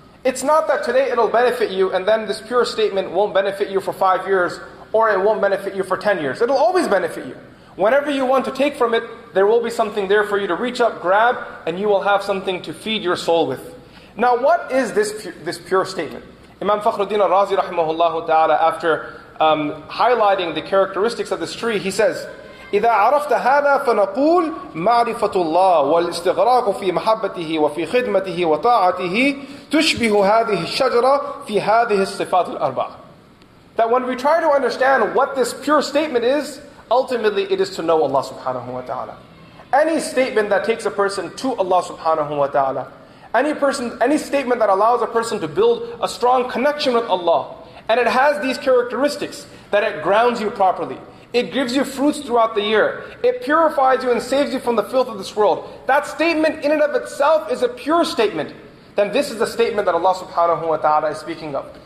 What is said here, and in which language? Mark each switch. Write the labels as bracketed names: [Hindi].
[English] It's not that today it'll benefit you and then this pure statement won't benefit you for 5 years or it won't benefit you for 10 years. It'll always benefit you. Whenever you want to take from it, there will be something there for you to reach up, grab, and you will have something to feed your soul with. Now what is this pure statement? Imam Fakhruddin al-Razi rahimahullahu ta'ala, after highlighting the characteristics of this tree, he says, [Arabic] إِذَا عَرَفْتَ هَذَا فَنَقُولْ مَعْرِفَةُ اللَّهِ وَالْإِسْتِغْرَاقُ فِي مَحَبَّتِهِ وَفِي خِدْمَتِهِ وَطَاعَتِهِ تُشْبِهُ هَذِهِ الشَّجَرَةِ فِي هَذِهِ الصِّفَاتِ الْأَرْبَعِ. [English] That when we try to understand what this pure statement is, ultimately it is to know Allah subhanahu wa ta'ala. Any statement that takes a person to Allah subhanahu wa ta'ala, any statement that allows a person to build a strong connection with Allah, and it has these characteristics, that it grounds you properly, it gives you fruits throughout the year, it purifies you and saves you from the filth of this world, that statement in and of itself is a pure statement, then this is the statement that Allah subhanahu wa ta'ala is speaking of.